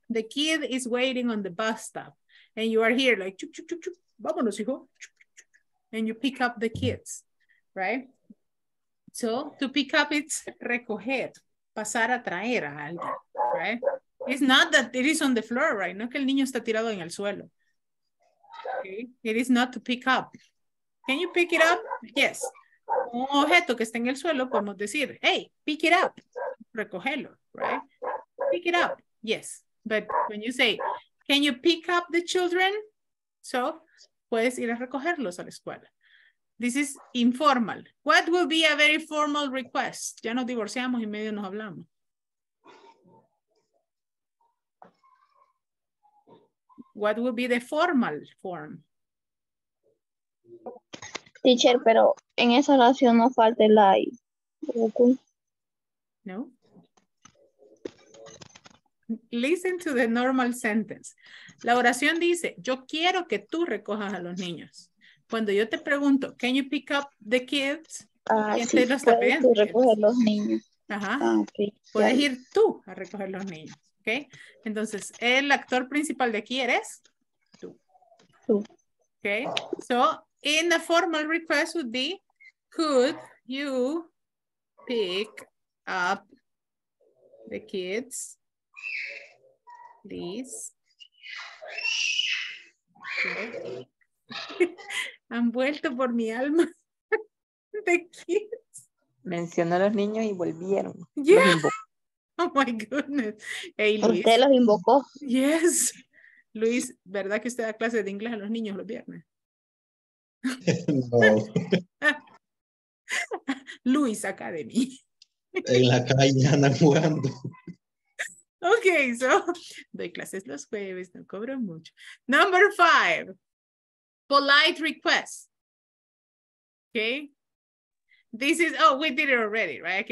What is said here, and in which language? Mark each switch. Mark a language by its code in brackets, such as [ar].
[en] The kid is waiting on the bus stop. And you are here like, chuk, chuk, chuk, chuk. [es] Vámonos, hijo. [en] Chuk, chuk, chuk. And you pick up the kids, right? So to pick up, it's [es] recoger, pasar a traer a alguien, [en] right? It's not that it is on the floor, right? [es] No que el niño está tirado en el suelo. [en] Okay? It is not to pick up. Can you pick it up? Yes. [es] Un objeto que está en el suelo, podemos decir, [en] hey, pick it up, [es] recogerlo, right? [en] Pick it up, yes. But when you say, can you pick up the children? [es] So, puedes ir a recogerlos a la escuela. [en] This is informal. What will be a very formal request? [es] Ya nos divorciamos y medio nos hablamos. [en] What will be the formal form? [es] Teacher, pero en esa oración no falta el I. No. [en] Listen to the normal sentence. [es] La oración dice, yo quiero que tú recojas a los niños. Cuando yo te pregunto, [en] can you pick up the kids? [es] ¿Quién te lo está pidiendo? Tú recoger los niños. Ajá. Okay. Puedes ir tú a recoger los niños. Okay. Entonces, el actor principal de aquí eres tú. Tú. Okay. [en] So, in the formal request would be, could you pick up the kids? [es] Please. Okay. Han vuelto por mi alma. [en] The kids. [es] Mencionó a los niños y volvieron. [en] Yeah. Oh my goodness. Hey, Luis. [es] Usted los invocó. [en] Yes. [es] Luis, ¿verdad que usted da clases de inglés a los niños los viernes? No. Luis Academy. En la calle andan jugando. Okay, so, doy clases los jueves, no cobro mucho. [en] Number five, polite request. Okay, this is, oh, we did it already, right?